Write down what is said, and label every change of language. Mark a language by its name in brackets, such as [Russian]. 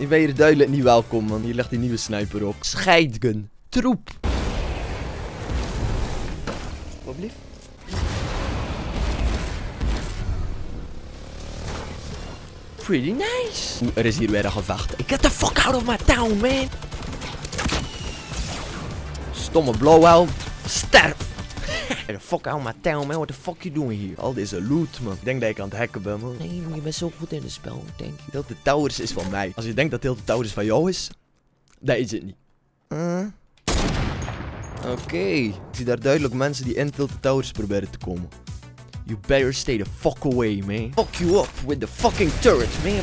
[Dutch] Ik ben hier duidelijk niet welkom, man. Hier ligt die nieuwe sniper ook. Scheidgun. Troep. Wat lief. [English] Pretty nice. [Dutch] Oeh, er is hier weer een gevecht. [English] Get the fuck out of my town, man. [Dutch] Stomme blowout. Sterf. [English] Get the fuck out of my town, man. What the fuck you doing here? [Dutch] Al deze loot, man. Ik denk dat ik aan het hacken ben, man. Nee, je bent zo goed in het spel, denk je. Tilted Towers is van mij. Als je denkt dat Tilted Towers van jou is, dat is het niet. Oké. Ik zie daar duidelijk mensen die in Tilted Towers proberen te komen. [English] You better stay the fuck away, man. Fuck you up with the fucking turret, man.